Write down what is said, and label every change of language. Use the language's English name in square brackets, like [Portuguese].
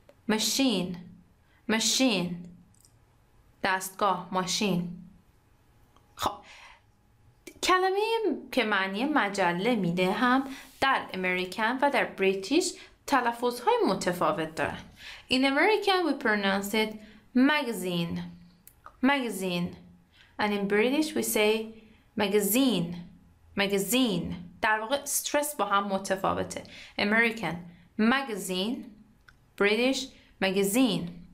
[Persian] Machine, دستگاه، ماشین. خب، کلمه که معنی مجله میده هم در امریکن و در بریتیش تلفظ های متفاوت دارن. [English] In American we pronounce it magazine. And in British we say magazine. [Persian] در واقع استرس با هم متفاوته. [English] American magazine, British magazine.